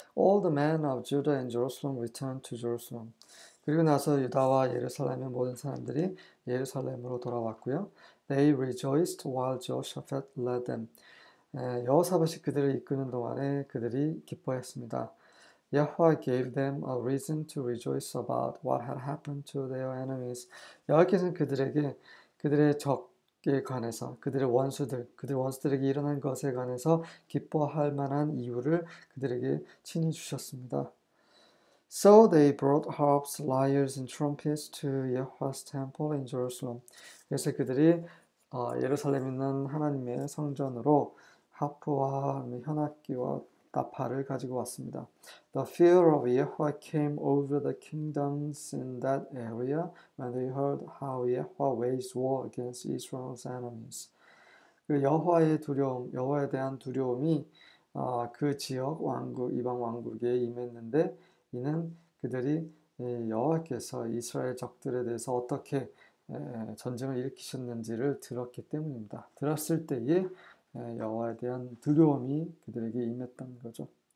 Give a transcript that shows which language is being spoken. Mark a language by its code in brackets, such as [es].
[en] All the men of Judah and Jerusalem returned to Jerusalem. [ko] 그리고 나서 유다와 예루살렘의 모든 사람들이 예루살렘으로 돌아왔고요. [en] They rejoiced while Jehoshaphat led them. [ko] 여호사밧이 그들을 이끄는 동안에 그들이 기뻐했습니다. [en] Yahweh gave them a reason to rejoice about what had happened to their enemies. [ko] 여호와께서는 그들에게 그들의 적에 관해서, 그들의 원수들에게 일어난 것에 관해서 기뻐할 만한 이유를 그들에게 친히 주셨습니다. [en] So they brought harps, lyres, and trumpets to Yahweh's temple in Jerusalem. [ko] 그래서 그들이 예루살렘 있는 하나님의 성전으로 하프와 현악기와 나팔을 가지고 왔습니다. [en] The fear of Yahweh came over the kingdoms in that area when they heard how Yahweh waged war against Israel's enemies. [ko] 그 여호와의 두려움, 여호와에 대한 두려움이 그 지역 왕국, 이방 왕국에 임했는데, 이는 그들이 여호와께서 이스라엘 적들에 대해서 어떻게 전쟁을 일으키셨는지를 들었기 때문입니다. 들었을 때에 여호와에 대한 두려움이 그들에게 임했던 거죠.